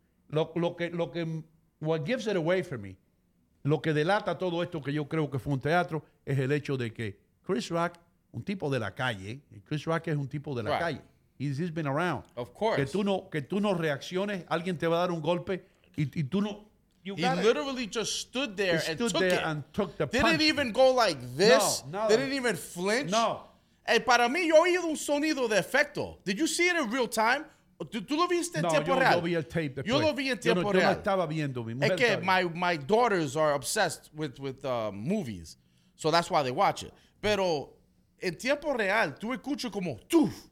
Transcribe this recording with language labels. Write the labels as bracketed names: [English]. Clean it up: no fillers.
[Spanish] Pero lo que [English] what gives it away for me, [Spanish] lo que delata todo esto que yo creo que fue un teatro, es el hecho de que Chris Rock, un tipo de la calle, Chris Rock es un tipo de la calle. [English] He's been around. Of course. [Spanish] Que tú no reacciones, alguien te va a dar un golpe y tú no. [English] He literally just stood there and took it. Stood there and took the punch. Didn't even go like this. [Spanish] No, no. [English] Didn't even flinch. [Spanish] No. Hey, para mí, yo oí un sonido de efecto. [English] Did you see it in real time? [Spanish] ¿Tú lo viste en tiempo real? No, yo vi el tape después. Yo lo vi en tiempo real. Yo no estaba viendo. Es que [English] my daughters are obsessed with movies. So that's why they watch it. [Spanish] Pero en tiempo real, tú escuchas como tú.